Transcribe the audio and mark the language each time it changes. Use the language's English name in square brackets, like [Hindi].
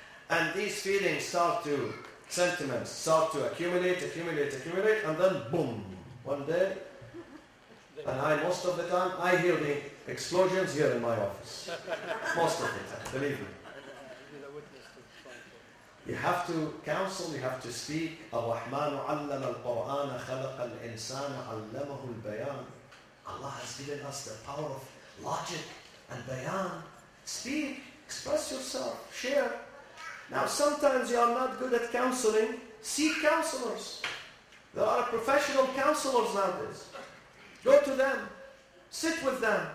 [English] And these feelings start to, sentiments start to accumulate, and then boom, one day, and I, most of the time, I hear the explosions here in my office. Most of the time, believe me. You have to counsel, you have to speak. [Arabic] الرحمن علم القرآن خلق الإنسان علمه البيان. [English] Allah has given us the power of logic and bayan. Speak, express yourself, share. Now sometimes you are not good at counseling. Seek counselors. There are professional counselors nowadays. Go to them. Sit with them.